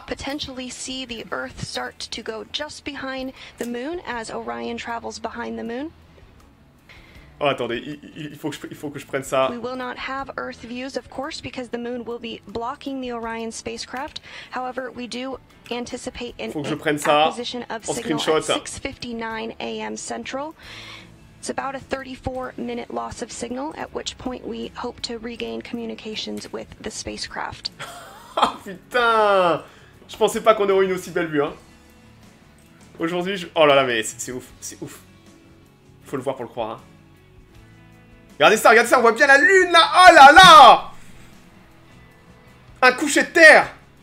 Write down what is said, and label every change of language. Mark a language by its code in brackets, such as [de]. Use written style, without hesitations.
[en] potentially see the Earth start to go just behind the Moon as Orion travels behind the Moon. [fr] Oh, attendez, il faut que je prenne ça. [en] We will not have Earth views, of course, because the moon will be blocking the Orion spacecraft. However, we do anticipate an acquisition of signal at 6:59 a.m. Central. It's about a 34-minute loss of signal, at which point we hope to regain communications with the spacecraft. [fr] Oh, putain! Je pensais pas qu'on aurait une aussi belle vue, hein. Aujourd'hui, oh là là, mais c'est ouf, c'est ouf. Faut le voir pour le croire, hein. Regardez ça, on voit bien la lune là! Oh là là! Un coucher de terre!